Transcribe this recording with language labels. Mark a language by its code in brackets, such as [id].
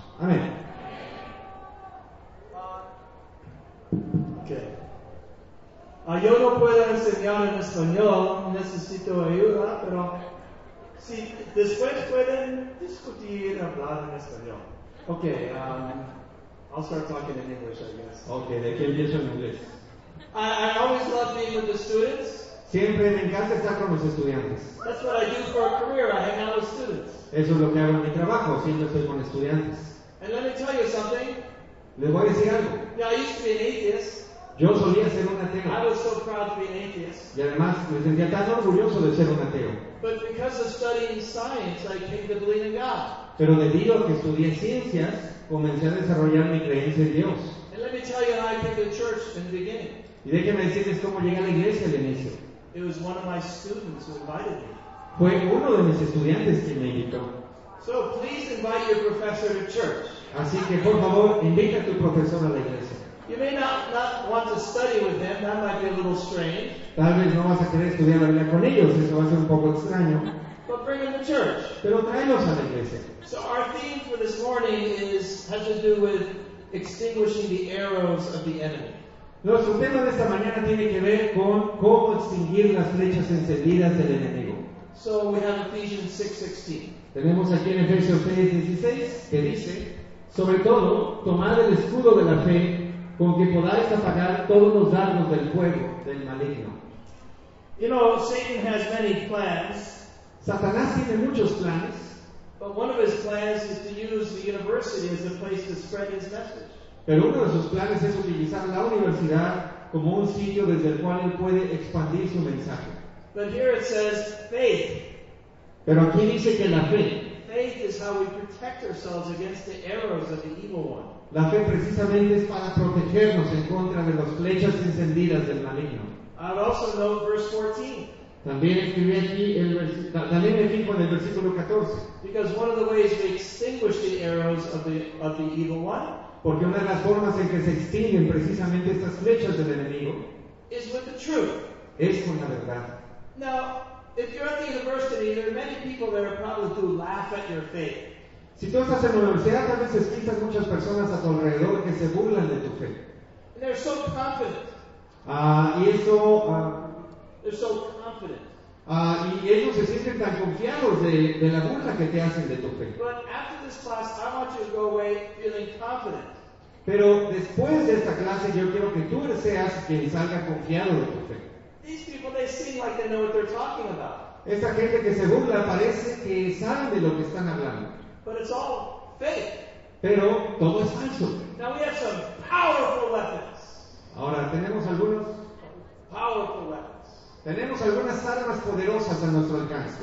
[es] Amén. Yo no puedo enseñar en español, necesito ayuda, pero si después pueden discutir, hablar en español. Ok, [en] I'll start talking in English, I guess. [es] Ok, ¿de qué empiezo en inglés? [en] I always love being with the students. [es] Siempre me encanta estar con los estudiantes. [en] That's what I do for a career, I hang out with students. [es] Eso es lo que hago en mi trabajo, siempre estoy con estudiantes. [en] And let me tell you something. [es] ¿Les voy a decir algo? [en] Yeah, I used to be an atheist. [es] Yo solía ser un ateo. [en] I was so proud to be an atheist. [es] Y además me sentía tan orgulloso de ser un ateo. [en] But because of studying science, I came to believe in God. [es] Pero debido a que estudié ciencias, comencé a desarrollar mi creencia en Dios. [en] And let me tell you how I came to church in the beginning. [es] Y déjenme decirles cómo llegué a la iglesia al inicio. [en] It was one of my students who invited me. [es] Fue uno de mis estudiantes quien me invitó. [en] So please invite your professor to church. [es] Así que por favor, invita a tu profesor a la iglesia. [en] You may not want to study with them. That might be a little strange. [es] Tal vez no vas a querer estudiar la Biblia con ellos. Eso va a ser un poco extraño. [en] But bring them to church. [es] Pero tráelos a la iglesia. [en] So our theme for this morning has to do with extinguishing the arrows of the enemy. [es] Nuestro tema de esta mañana tiene que ver con cómo extinguir las flechas encendidas del enemigo. [en] So we have Ephesians 6:16. [es] Tenemos aquí en Efesios 6:16 que dice, sobre todo, tomad el escudo de la fe, con que podáis apagar todos los dardos del fuego del maligno. [en] You know, Satan has many plans. [es] Satanás tiene muchos planes. [en] But one of his plans is to use the university as a place to spread his message. [es] Pero uno de sus planes es utilizar la universidad como un sitio desde el cual él puede expandir su mensaje. [en] But here it says faith. [es] Pero aquí dice que la fe. [en] Faith is how we protect ourselves against the arrows of the evil one. [es] La fe precisamente es para protegernos en contra de las flechas encendidas del maligno. [en] I'd also note verse 14. [es] También escribí aquí el versículo en el versículo 14. [en] Because one of the ways we extinguish the arrows of the evil one. [es] Porque una de las formas en que se extinguen precisamente estas flechas del enemigo [en] is with the truth. [es] Es con la verdad. [en] Now, if you're at the university, there are many people that are probably do laugh at your faith. [es] Si tú estás en la universidad, tal vez existan muchas personas a tu alrededor que se burlan de tu fe. [en] And they're so confident. They're so confident. [es] Y ellos se sienten tan confiados de la burla que te hacen de tu fe. [en] But after this class, I want you to go away feeling confident. [es] Pero después de esta clase, yo quiero que tú seas quien salga confiado de tu fe. [en] These people, they seem like they know what they're talking about. [es] Esta gente que se burla parece que saben de lo que están hablando. [en] But it's all fake. [es] Pero todo es falso. [en] Now we have some powerful weapons. [es] Ahora tenemos algunos. [en] Powerful weapons. [es] Tenemos algunas armas poderosas a nuestro alcance.